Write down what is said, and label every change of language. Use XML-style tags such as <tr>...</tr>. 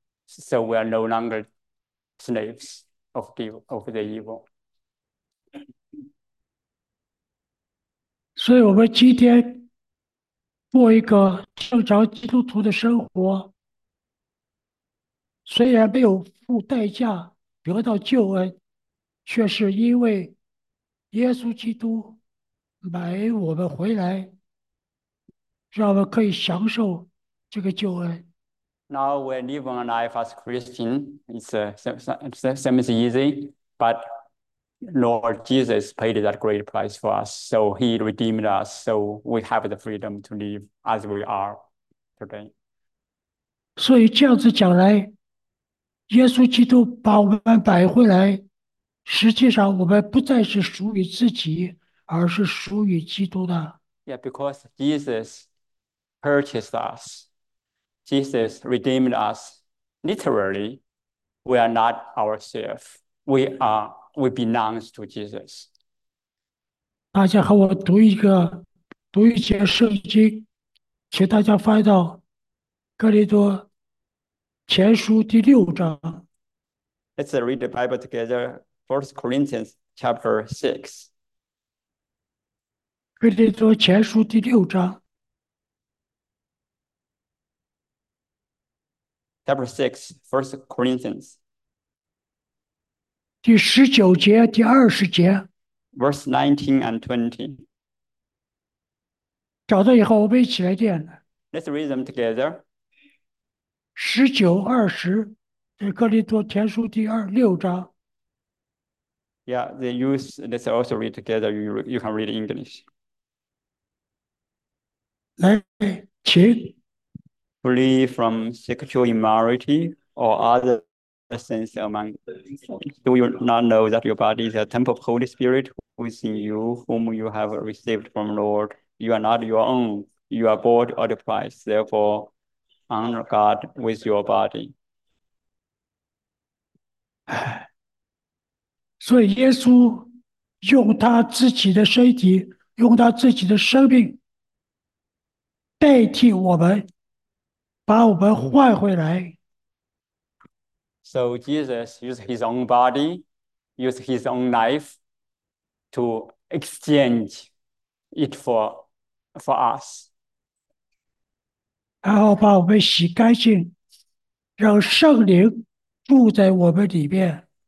<en>So we are no longer slaves of the evil.</en> <zh>所以，我们今天过一个正常基督徒的生活，虽然没有付代价得到救恩，却是因为耶稣基督买我们回来，让我们可以享受这个救恩。</zh> <en>Now we're living a life as Christian. It seems easy, but Lord Jesus paid that great price for us. So he redeemed us. So we have the freedom to live as we are. today.</en> <zh>所以这样子讲来，耶稣基督把我们买回来，实际上我们不再是属于自己，而是属于基督的。</zh> <en>Yeah, because Jesus purchased us. Jesus redeemed us. Literally, we are not ourselves. We belong to Jesus.</en> <zh>大家和我读一个，读一节圣经，请大家翻到《哥林多前书》第六章。</zh> <en>Let's read the Bible together. First Corinthians chapter 6.</en> <zh>哥林多前书第六章。</zh> <en>Chapter 6, First Corinthians.</en> <zh>第19节，第20节。</zh> <en>Verse 19 and 20.</en> <zh>找到以后，我们一起来念了。</zh> <en>Let's read them together.</en> <zh>19、20，这《哥林多前书》第二六章。</zh> <en>Yeah, they use, let's also read together. You can read English.</en> <zh>来，请。</zh> <en>Flee from sexual immorality or other sins among the. Do you not know that your body is a temple of the Holy Spirit who is in you, whom you have received from the Lord? You are not your own. You are bought at a price. Therefore, honor God with your body.</en> <zh>唉，所以耶稣用他自己的身体，用他自己的生命代替我们，把我们换回来。</zh> <en>So Jesus used his own body, used his own life to exchange it for us.</en> <zh>然后把我们洗干净，让圣灵住在我们里面。</zh>